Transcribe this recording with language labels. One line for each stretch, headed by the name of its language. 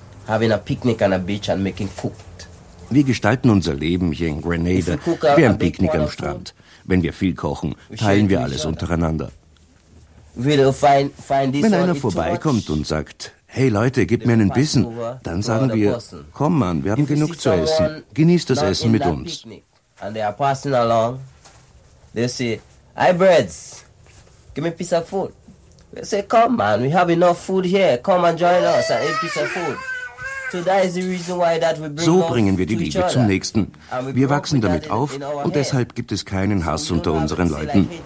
English: Having a picnic on a beach and making cooked.
German: Wir gestalten unser Leben hier in Grenada wie ein Picknick am Strand. Wenn wir viel kochen, teilen wir alles untereinander. Wenn einer vorbeikommt und sagt, hey Leute, gib mir einen Bissen, dann sagen wir, komm Mann, wir haben genug zu essen, genieß das Essen mit uns.
English: And they are passing along, they say, hey Breads, give me a piece of food. They say, come man, we have enough food here, come and join us and eat a piece of food.
German: So bringen wir die Liebe zum Nächsten. Wir wachsen damit auf und deshalb gibt es keinen Hass unter unseren Leuten.